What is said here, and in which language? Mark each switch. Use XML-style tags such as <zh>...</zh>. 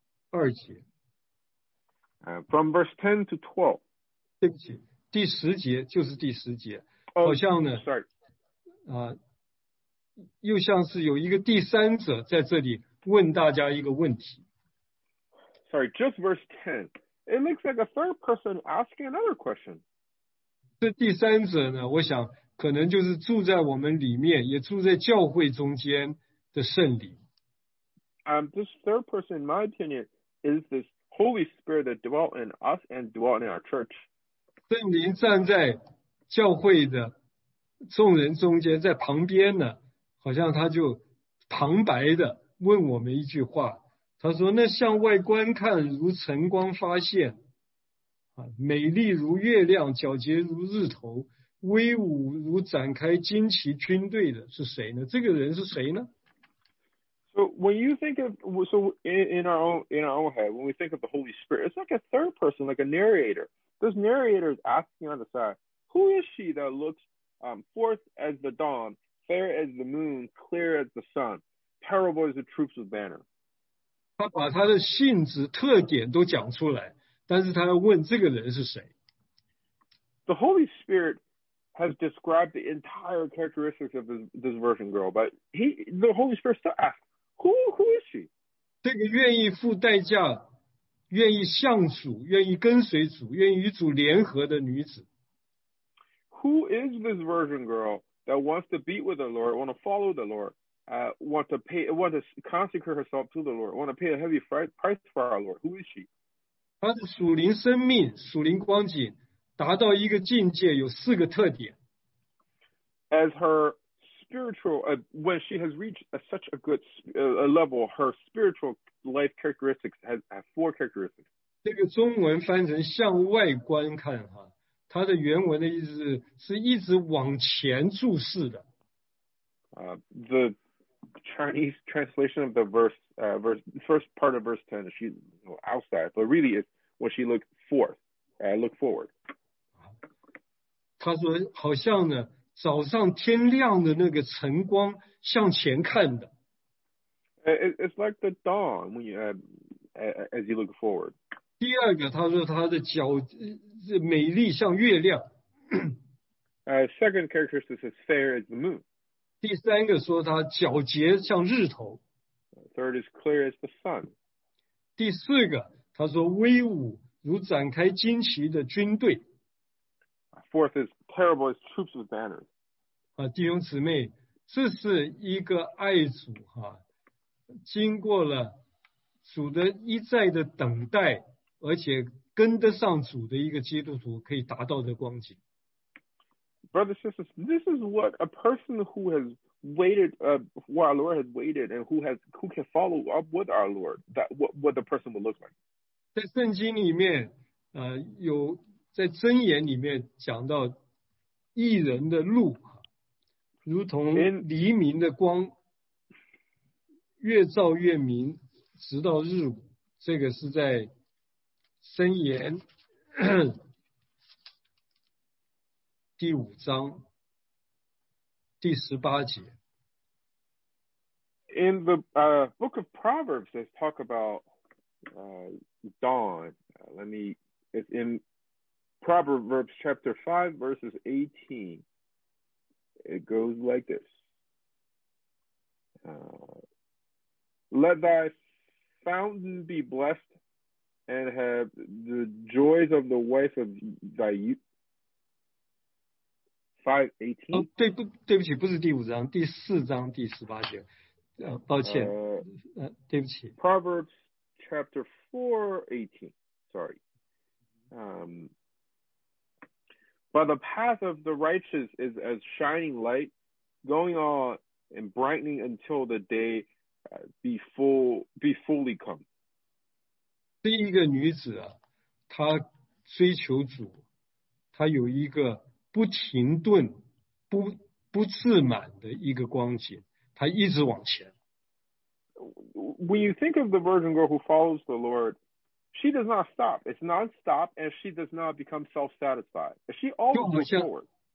<zh>从雅各书第六章第十节开始到第十二节。</zh> <en>From verse 10 to 12.</en> <zh>对不起，第十节就是第十节。 Oh, 好像呢,</zh> <en>sorry.</en> <zh>又像是有一个第三者在这里问大家一个问题。</zh> <en>Sorry, just verse 10. It looks like a third person asking another question.</en> <zh>这第三者呢，我想可能就是住在我们里面，也住在教会中间的圣灵。</zh> <en>This third person, in my opinion, is this Holy Spirit that dwelt in us and dwelt in our church.</en> <zh>圣灵站在教会的众人中间，在旁边呢，好像他就旁白的问我们一句话。他说：“那向外观看如晨光发现，美丽如月亮，皎洁如日头，威武如展开旌旗军队的是谁呢？这个人是谁呢？”</zh> <en>So when you think of in our own head, when we think of the Holy Spirit, it's like a third person, like a narrator. This narrator is asking on the side, "Who is she that looks forth as the dawn, fair as the moon, clear as the sun, terrible as the troops of banner?"</en> <zh>他把他的性质特点都讲出来，但是他要问这个人是谁。</zh> <en>The Holy Spirit has described the entire characteristics of this virgin girl, but the Holy Spirit still asks, "Who is she?"</en> <zh>这个愿意付代价。愿意向主，愿意跟随主，愿意与主联合的女子。</zh> <en>Who is this virgin girl that wants to be with the Lord, want to follow the Lord, want to consecrate herself to the Lord, want to pay a heavy price for our Lord? Who is she?</en> <zh>她的属灵生命、属灵光景达到一个境界，有四个特点。</zh> <en>As her spiritual, when she has reached such a good level, her spiritual life characteristics have four characteristics.</en> <zh>这个中文翻成向外观看，它的原文的意思是一直往前注视的。</zh> <en>The Chinese translation of the first part of verse 10, she's outside, but really it's when she looked forth, look forward.</en> <zh>他说好像呢早上天亮的那个晨光向前看的。</zh> <en>It's like the dawn when you, as you look forward.</en> <zh>第二个，他说他的脚美丽像月亮。</zh> <en>Second characteristic is fair as the moon.</en> <zh>第三个说他皎洁像日头。</zh> <en>Third is clear as the sun.</en> <zh>第四个，他说威武如展开旌旗的军队。</zh> <en>Fourth is terrible as troops with banners.</en> <zh>弟兄姊妹，这是一个爱主哈。经过了主的一再的等待，而且跟得上主的一个基督徒可以达到的光景。</zh> <en>Brothers and sisters, this is what a person who has waited, who our Lord has waited, and who can follow up with our Lord, that what the person will look like.</en> <zh>在圣经里面，有在箴言里面讲到义人的路，如同黎明的光。越照越明，直到日午。这个是在箴言第五章第十八节。</zh> <en>In the book of Proverbs, they talk about dawn. It's in Proverbs chapter 5, verses 18. It goes like this. Let thy fountain be blessed, and have the joys of the wife of thy youth. 5:18.</en> <zh>哦，对，对不起，不是第五章，第四章第十八节。抱歉，对不起。</zh> <en>Proverbs chapter 4:18. Sorry. But the path of the righteous is as shining light, going on and brightening until the day. Be fully come.</en> <zh>这一个女子啊，她追求主，她有一个不停顿、不自满的一个光景，她一直往前。</zh> <en>When you think of the virgin girl who follows the Lord, she does not stop. It's non-stop, and she does not become self-satisfied. She always moves forward.</en>